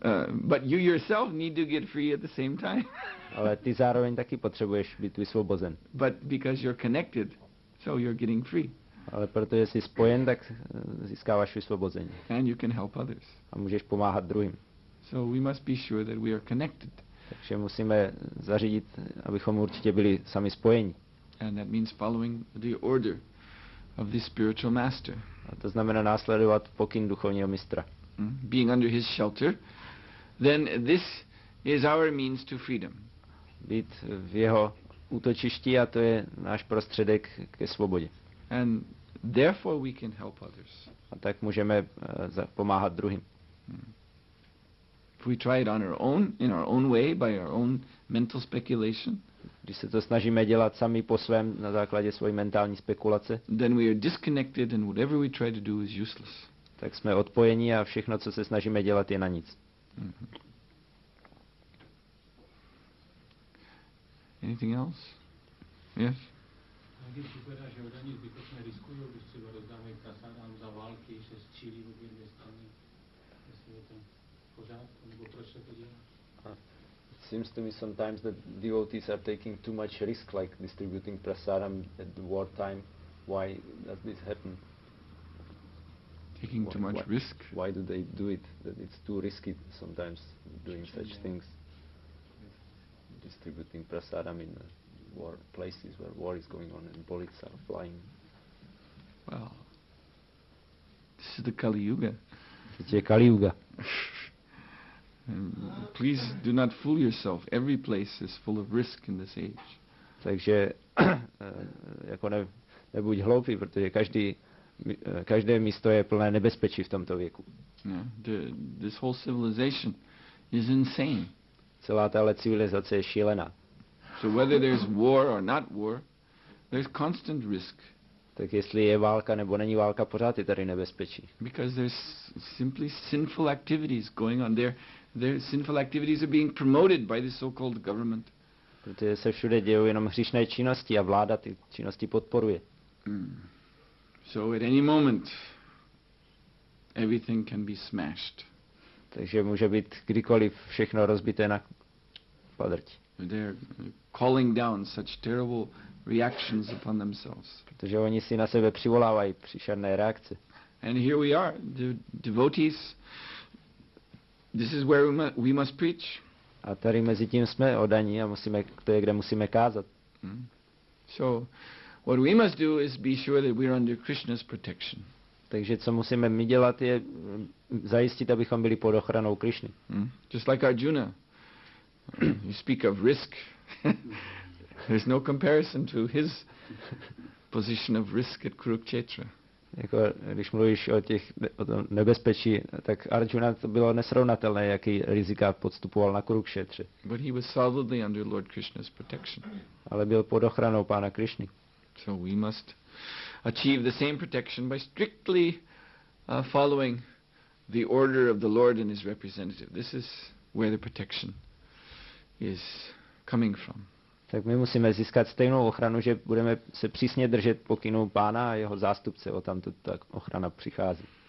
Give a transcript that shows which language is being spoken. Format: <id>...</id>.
<en>But you yourself need to get free at the same time.</en> <cs>Ale ty zároveň taky potřebuješ být vysvobozen.</cs> <en>But because you're connected. So you're getting free.</en> <cs>Ale protože jsi spojen, tak získáváš vysvobození.</cs> <en>And you can help others.</en> <cs>A můžeš pomáhat druhým.</cs> <en>So we must be sure that we are connected.</en> <cs>Takže musíme zařídit, abychom určitě byli sami spojeni.</cs> <en>And that means following the order of the spiritual master.</en> <cs>A to znamená následovat pokyn duchovního mistra.</cs> <en>Being under his shelter, then this is our means to freedom.</en> <cs>Být v jeho útočišti, a to je náš prostředek ke svobodě.</cs> <en>And therefore we can help others.</en> <cs>A tak můžeme pomáhat druhým.</cs> <en>If we try it on our own, in our own way, by our own mental speculation,</en> <cs>když se to snažíme dělat sami po svém, na základě svojí mentální spekulace,</cs> <en>then we are disconnected and whatever we try to do is useless.</en> <cs>Tak jsme odpojení a všechno, co se snažíme dělat, je na nic.</cs> <en>Anything else? Yes.</en> <cs>Když říkáš, že oni zbytečně riskují, když se rozdáme kasánám za války, že se střílí v obě dvě strany, jestli je to pořád, nebo proč se to dělá?</cs> <en>It seems to me sometimes that devotees are taking too much risk, like distributing prasadam at the war time. Why does this happen? Taking too much risk? Why do they do it? That it's too risky sometimes doing such things. Distributing prasadam in war places where war is going on and bullets are flying. Well, this is the Kali Yuga. It's a Kali Yuga. Please do not fool yourself. Every place is full of risk in this age.</en> <cs>Takže jako nebuď hloupý, protože každé místo je plné nebezpečí v tomto věku.</cs> <en>This whole civilization is insane.</en> <cs>Celá tahle civilizace je šílená.</cs> <en>So whether there's war or not war, there's constant risk.</en> <cs>Tak jestli je válka nebo není válka, pořád je tady nebezpečí.</cs> <en>Because there's simply sinful activities going on there. Their sinful activities are being promoted by the so-called government.</en> <cs>Protože se všude dějou jenom hříšné činnosti a vláda ty činnosti podporuje.</cs> <en>So at any moment everything can be smashed.</en> <cs>Takže může být kdykoliv všechno rozbité na padrť.</cs> <en>They're calling down such terrible reactions upon themselves.</en> <cs>Protože oni si na sebe přivolávají příšerné reakce.</cs> <en>And here we are, the devotees. This is where we must preach.</en> <cs>A tady mezi tím jsme oddaní a musíme, to je, kde musíme kázat.</cs> <en>So what we must do is be sure that we're under Krishna's protection.</en> <cs>Takže co musíme my dělat, je zajistit, abychom byli pod ochranou Krišny.</cs> <en>Just like Arjuna, you speak of risk. There's no comparison to his position of risk at Kurukshetra.</en> <cs>Jako, když mluvíš o tom nebezpečí, tak Arjuna to bylo nesrovnatelné, jaký rizika podstupoval na Kurukshetře.</cs> <en>But he was solidly under Lord Krishna's protection.</en> <cs>Ale byl pod ochranou pána Krišny.</cs> <en>So we must achieve the same protection by strictly following the order of the Lord and his representative. This is where the protection is coming from.</en> <cs>Tak my musíme získat stejnou ochranu, že budeme se přísně držet pokynů pána a jeho zástupce, o tamto ta ochrana přichází.</cs>